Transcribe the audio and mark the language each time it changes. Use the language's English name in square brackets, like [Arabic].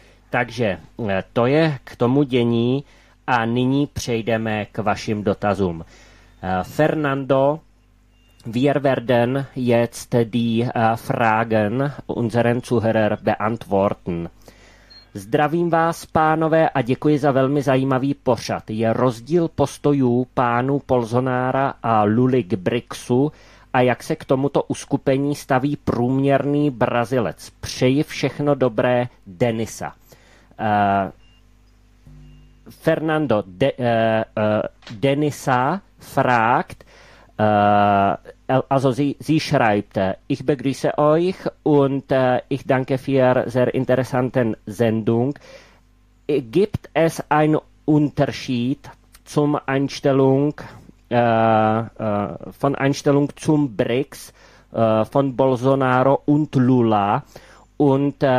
[Czech] Takže to je k tomu dění a nyní přejdeme k vašim dotazům. [German] Fernando, wir werden jetzt die Fragen unseren Zuhörer beantworten. [Czech] Zdravím vás, pánové, a děkuji za velmi zajímavý pořad. Je rozdíl postojů pánů Bolsonara a Luly k BRICSu a jak se k tomuto uskupení staví průměrný Brazilec? Přeji všechno dobré, Denisa. [German] Fernando, Denisa fragt, also sie schreibt, ich begrüße euch und ich danke für sehr interessante Sendung. Gibt es einen Unterschied zum Einstellung von Einstellung zum BRICS von Bolsonaro und Lula? Und